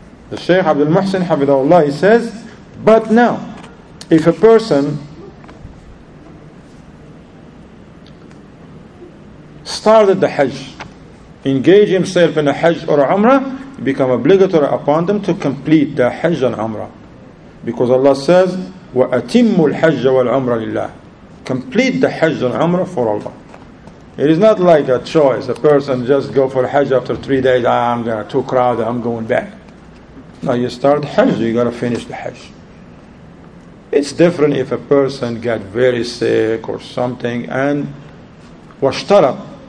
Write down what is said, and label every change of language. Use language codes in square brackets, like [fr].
[en] The Shaykh Abdul Muhsin Hafidhahullah says, but now, if a person started the Hajj, engage himself in a Hajj or a Umrah, it become obligatory upon them to complete the Hajj and Umrah. [ar] Because Allah says, وَأَتِمُّ الْحَجَّ وَالْعُمْرَ لِلَّهِ. [en] Complete the Hajj and Umrah for Allah. It is not like a choice. A person just go for Hajj after 3 days, I'm gonna too crowded, I'm going back. No, you start Hajj, you gotta finish the Hajj. It's different if a person got very sick or something and washtarat.